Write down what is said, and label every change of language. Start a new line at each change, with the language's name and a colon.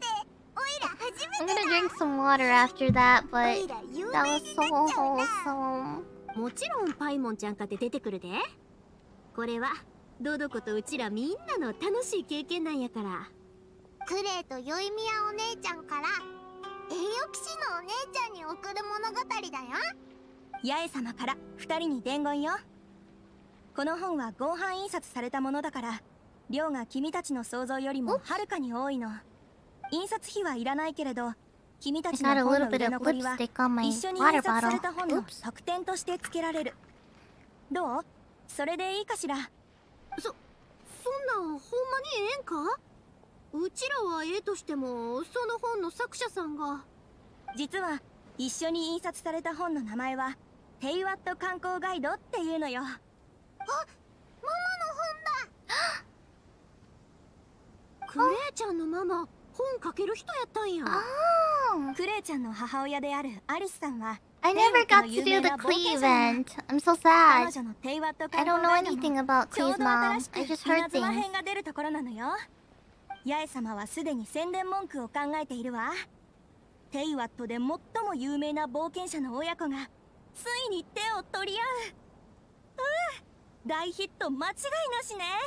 English: I'm gonna drink some water after that, but that was so wholesome.
Japanese: もちろんパイモンちゃんかて出てくるで。これはドドコとうちらみんなの楽しい経験なんやから。クレイとヨイミヤお姉ちゃんから栄誉騎士のお姉ちゃんに送る物語だよ。八重様から二人に伝言よ。この本は合板印刷されたものだから。量が君たちの想像よりもはるかに多いの。印刷費はいらないけれど、君たちの本の売れ残りは一緒に印刷された本の特典としてつけられる。どう？それでいいかしら。そんなんほんまにええんか？うちらはええとしてもその本の作者さんが。実は一緒に印刷された本の名前はテイワット観光ガイドっていうのよ。あ、ママの本だ。クレイちゃんのママ、本書ける人やったんや。クレイちゃんの母親であるアリスさんは、
English: I never got to do the Klee event. I'm so sad. I don't know anything about Klee's mom. I just heard things.
Japanese: 編が出るところなのよ。八重様はすでに宣伝文句を考えているわ。テイワットで最も有名な冒険者の親子が、ついに手を取り合う。うん、大ヒット間違いなしね。